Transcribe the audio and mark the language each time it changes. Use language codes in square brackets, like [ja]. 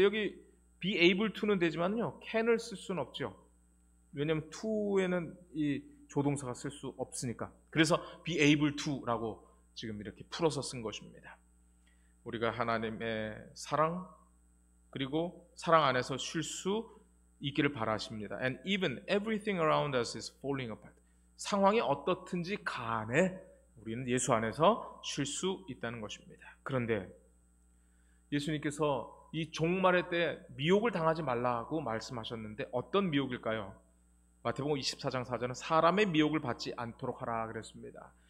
[ko] 근데 여기 be able to는 되지만요, can을 쓸 수는 없죠. 왜냐면 to에는 이 조동사가 쓸 수 없으니까. 그래서 be able to라고 지금 이렇게 풀어서 쓴 것입니다. 우리가 하나님의 사랑, 그리고 사랑 안에서 쉴 수 있기를 바라십니다. [en] And even everything around us is falling apart. [ko] 상황이 어떻든지 간에 우리는 예수 안에서 쉴 수 있다는 것입니다. 그런데 예수님께서 이 종말의 때 미혹을 당하지 말라고 말씀하셨는데 어떤 미혹일까요? 마태복음 24장 4절은 사람의 미혹을 받지 않도록 하라 그랬습니다.